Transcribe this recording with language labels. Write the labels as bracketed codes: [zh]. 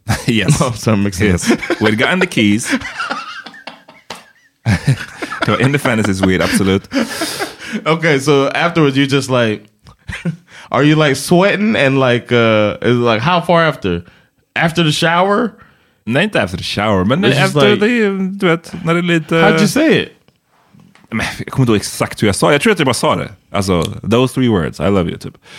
[en] Yes. Oh, sorry, I'm mixing. Yes. We'd gotten the keys. In the fantasy suite, absolute. Okay, so afterwards you just like, are you like sweating and like, is like how far after? After the shower? [sv] Nej, inte efter shower, men it's efter like, det, du vet, när det är lite... [en] How'd you say it? [sv] Men jag kommer inte exakt hur jag sa det. Jag tror att jag bara sa det. Alltså, [en] those three words, I love you, [sv] typ.